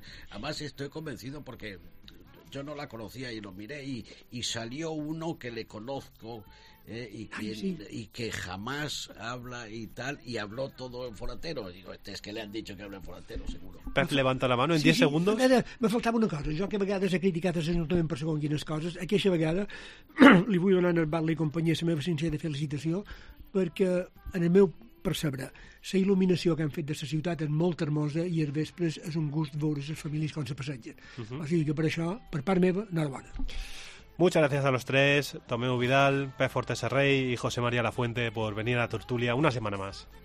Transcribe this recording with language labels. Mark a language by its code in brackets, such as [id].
[es] Además, estoy convencido porque yo no la conocía y lo miré, y salió uno que le conozco, y que jamás habla y tal, y habló todo en forastero. Digo, este es que le han dicho que habla en forastero, seguro. Pep, levanta la mano en 10 segundos. Me faltaba una cosa. [ca] Jo que a vegades he criticat el senyor Tomé per segons quines coses. Aquesta vegada li vull donar al Barley i companyia la meva sincera felicitació, perquè en el meu percebre, la il·luminació que han fet de la ciutat és molt hermosa i els vespres és un gust veure les famílies quan se passegen. O sigui que per això, per part meva, enhorabona. [es] Muchas gracias a los tres, Tomeu Vidal, Pep Fortes-Rey y José María Lafuente, por venir a la tertulia una semana más.